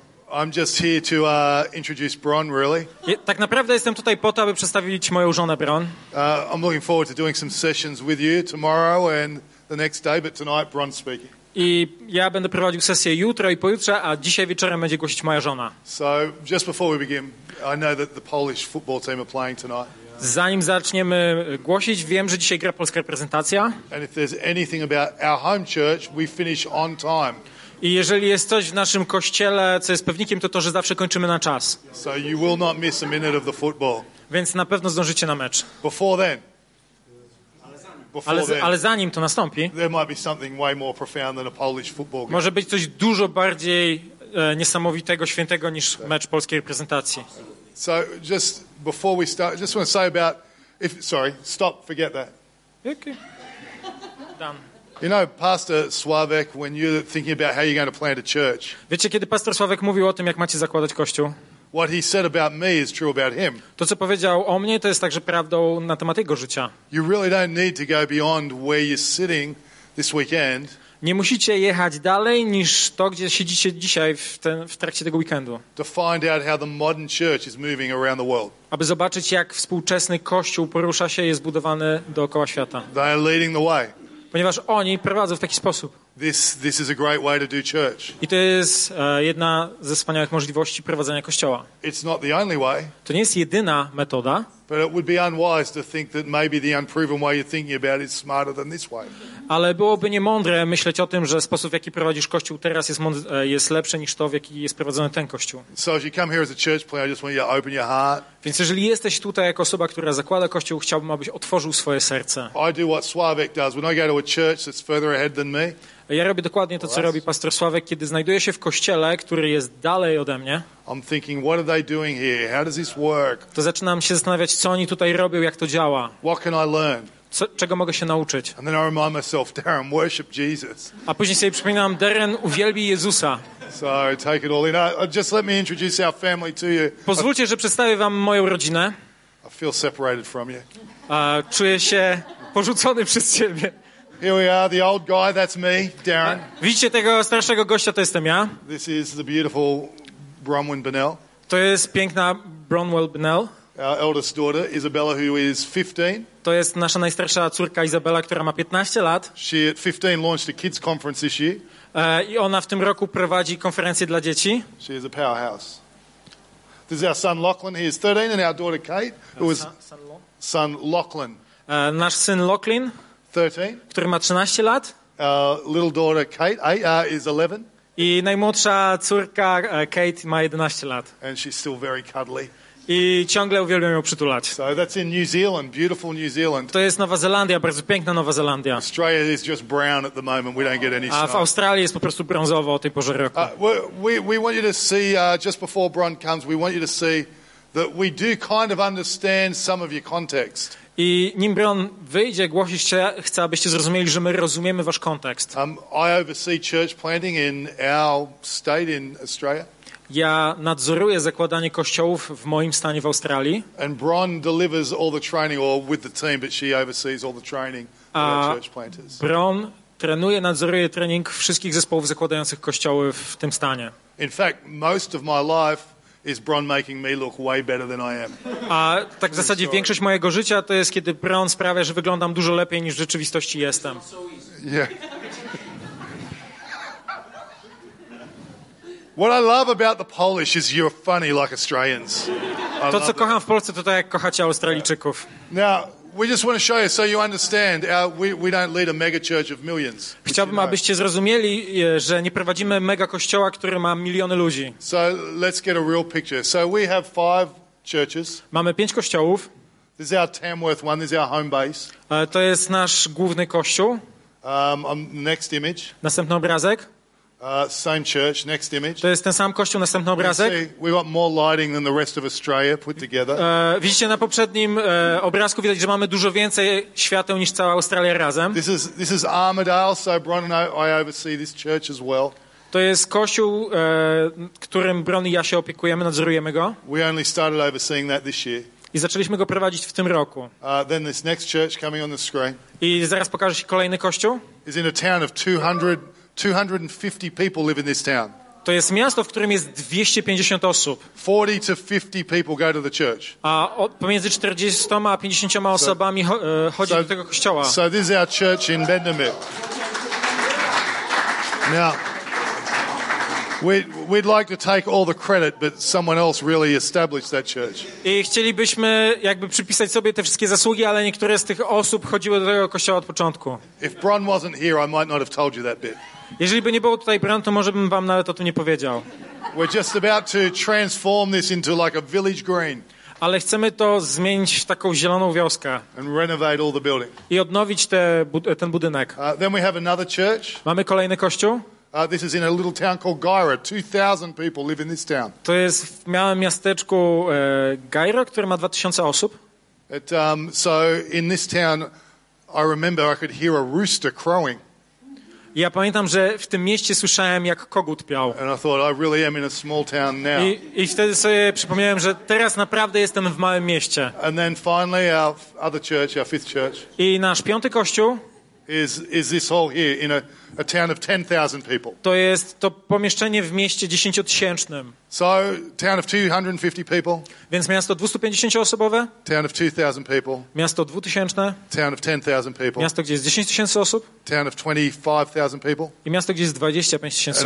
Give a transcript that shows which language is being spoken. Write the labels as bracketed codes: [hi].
[en] I'm just here to introduce Bron, really. [pl] Tak naprawdę jestem tutaj po to, aby przedstawić moją żonę Bron. [en] I'm looking forward to doing some sessions with you tomorrow and the next day, but tonight Bron's speaking. [pl] I ja będę prowadził sesję jutro i pojutrze, a dzisiaj wieczorem będzie głosić moja żona. [en] So, just before we begin, I know that the Polish football team are playing tonight. [pl] Zanim zaczniemy głosić, wiem, że dzisiaj gra polska reprezentacja. [en] And if there's anything about our home church, we finish on time. [pl] I jeżeli jest coś w naszym kościele, co jest pewnikiem, to to, że zawsze kończymy na czas. [en] So you will not miss a minute of the football. [pl] Więc na pewno zdążycie na mecz. [en] Before then. [pl] Ale zanim to nastąpi, [en] there might be something way more profound than a Polish football game. [pl] Może być coś dużo bardziej niesamowitego, świętego niż mecz polskiej reprezentacji. [en] So just before we start, I just want to say about if sorry, stop, forget that. Okay. Done. You know, Pastor Sławek, when you're thinking about how you're going to plant a church. [pl] Wiecie, kiedy pastor Sławek mówił o tym, jak macie zakładać kościół? [en] What he said about me is true about him. [pl] To co powiedział o mnie, to jest także prawdą na temat jego życia. [en] You really don't need to go beyond where you're sitting this weekend. [pl] Nie musicie jechać dalej niż to, gdzie siedzicie dzisiaj w trakcie tego weekendu. [en] To find out how the modern church is moving around the world. [pl] Aby zobaczyć, jak współczesny kościół porusza się i jest budowany dookoła świata. [en] They are leading the way. [pl] Ponieważ oni prowadzą w taki sposób. [en] This is a great way to do church. [pl] I to jest jedna ze wspaniałych możliwości prowadzenia kościoła. [en] It's not the only way. [pl] To nie jest jedyna metoda. [en] But it would be unwise to think that maybe the unproven way you're thinking about it is smarter than this way. [pl] Ale byłoby niemądre myśleć o tym, że sposób, w jaki prowadzisz kościół teraz, jest lepszy niż to, w jaki jest prowadzony ten kościół. [en] So if you come here as a church plant, I just want you to open your heart. [pl] Więc jeżeli jesteś tutaj jako osoba, która zakłada kościół, chciałbym, abyś otworzył swoje serce. [en] I do what Sławek does. When I go to a church that's further ahead than me. [pl] Ja robię dokładnie to, co robi pastor Sławek, kiedy znajduje się w kościele, który jest dalej ode mnie. [en] I'm thinking, what are they doing here? How does this work? [pl] To zaczynam się zastanawiać, co oni tutaj robią, jak to działa. [en] What can I learn? [pl] Czego mogę się nauczyć? [en] And then I remind myself, Darren, worship Jesus. [pl] A później sobie przypominam, Darren, uwielbi Jezusa. [en] So take it all in. Just let me introduce our family to you. [pl] Pozwólcie, że przedstawię wam moją rodzinę. [en] I feel separated from you. [pl] Czuję się porzucony przez ciebie. [en] Here we are, the old guy, that's me, Darren. [pl] Widzicie tego starszego gościa, to jestem ja. [en] This is the beautiful Bronwyn Bunnell. [pl] To jest piękna Bronwyn Bunnell. [en] Our eldest daughter, Isabella, who is 15. [pl] To jest nasza najstarsza córka Izabela, która ma 15 lat. [en] She at 15 launched a kids conference this year. [pl] I ona w tym roku prowadzi konferencję dla dzieci. [en] She is a powerhouse. This is our son Lachlan, he is 13, and our daughter Kate, who is son Lachlan. [pl] Nasz syn Lachlan. [en] 13. [pl] Który ma 13 lat. [en] Little daughter Kate is 11. [pl] I najmłodsza córka Kate ma 11 lat. [en] And she's still very cuddly. [pl] I ciągle uwielbiam ją przytulać. [en] So that's in New Zealand, beautiful New Zealand. [pl] To jest Nowa Zelandia, bardzo piękna Nowa Zelandia. [en] Australia is just brown at the moment. We don't get any snow. [pl] A w Australii jest po prostu brązowo o tej porze roku. [en] We want you to see just before Bron comes, we want you to see that we do kind of understand some of your context. [pl] I nim Bron wyjdzie, głosić się, chcę, abyście zrozumieli, że my rozumiemy wasz kontekst. [en] I oversee church planting in our state in Australia. [pl] Ja nadzoruję zakładanie kościołów w moim stanie w Australii. [en] And Bron delivers all the training, or with the team, but she oversees all the training for church planters. [pl] Bron trenuje, nadzoruje trening wszystkich zespołów zakładających kościoły w tym stanie. [en] In fact, most of my life is Bron making me look way better than I am. [pl] A tak w zasadzie większość mojego życia to jest, kiedy Bron sprawia, że wyglądam dużo lepiej niż w rzeczywistości jestem. [en] Yeah. What I love about the Polish is you're funny like Australians. [pl] To co kocham w Polsce, to tak jak kochacie Australijczyków. [en] Now, we just want to show you so you understand we don't lead a mega church of millions. [pl] Chciałbym, abyście zrozumieli, że nie prowadzimy mega kościoła, który ma miliony ludzi. [en] So let's get a real picture. So we have 5 churches. [pl] Mamy 5 kościołów. [en] This is our Tamworth one, this is our home base. [pl] To jest nasz główny kościół. [en] Next image. [pl] Następny obrazek. [en] Same church, next image. [pl] To jest ten sam kościół, następny obrazek. [en] We got more lighting than the rest of Australia put together. [pl] Widzicie na poprzednim obrazku widać, że mamy dużo więcej świateł niż cała Australia razem. [en] This is Armidale, so Bron and I oversee this church as well. [pl] To jest kościół, którym Bron i ja się opiekujemy, nadzorujemy go. [en] We only started overseeing that this year. [pl] I zaczęliśmy go prowadzić w tym roku. [en] Then this next church coming on the screen. [pl] I zaraz pokażę się kolejny kościół. [en] Is in a town of 200 250 people live in this town. [pl] To jest miasto, w którym jest 250 osób. [en] 40 to 50 people go to the church. [pl] A pomiędzy 40 a 50 osobami chodzi do tego kościoła. [en] So this is our church in Bendemeer. Now, we'd like to take all the credit, but someone else really established that church. [pl] I chcielibyśmy jakby przypisać sobie te wszystkie zasługi, ale niektóre z tych osób chodziły do tego kościoła od początku. [en] If Bron wasn't here, I might not have told you that bit. [pl] Jeżeli by nie było tutaj Bron, to może bym wam nawet o tym nie powiedział. [en] We're just about to transform this into like a village green. [pl] Ale chcemy to zmienić w taką zieloną wioskę. [en] And renovate all the building. [pl] I odnowić ten budynek. [en] Then we have another church. [pl] Mamy kolejny kościół. [en] This is in a little town called Gaira. 2,000 people live in this town. [pl] To jest w małym miasteczku Gaira, które ma 2,000 osób. [en] So in this town, I remember I could hear a rooster crowing. [pl] Ja pamiętam, że w tym mieście słyszałem, jak kogut piał. [en] And I thought, I really am in a small town now. [pl] I wtedy sobie przypomniałem, że teraz naprawdę jestem w małym mieście. [en] And then finally our other church, our fifth church. [pl] I nasz piąty kościół. [en] Is this all here in a town of 10,000 people? [pl] To jest to pomieszczenie w mieście 10-tysięcznym. [en] So town of 250 people. [pl] Więc miasto 250 osobowe. [en] Town of 2,000 people. [pl] Miasto 2,000. [en] Town of 10,000 people. [pl] Miasto, gdzie jest 10,000 osób. [en] Town of 25,000 people. [pl] I miasto, gdzie jest 25,000 osób.